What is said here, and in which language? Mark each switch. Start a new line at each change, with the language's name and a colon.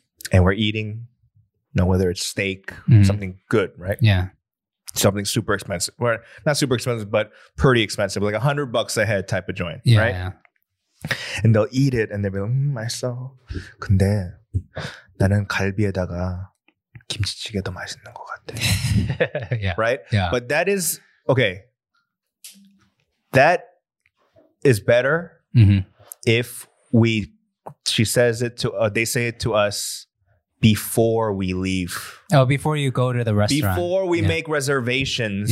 English: And we're eating, you know, whether it's steak, something good, right? Yeah. Something super expensive. Well, not super expensive, but pretty expensive. Like $100 a head type of joint, right? And they'll eat it and they'll be like, I saw.
Korean: 근데 나는 갈비에다가 김치찌개 더 맛있는 것 같아.
English: Right? Yeah. But that is, okay, that is better if we, she says it to, they say it to us before we leave. Oh, before you go to the restaurant. Before we make reservations.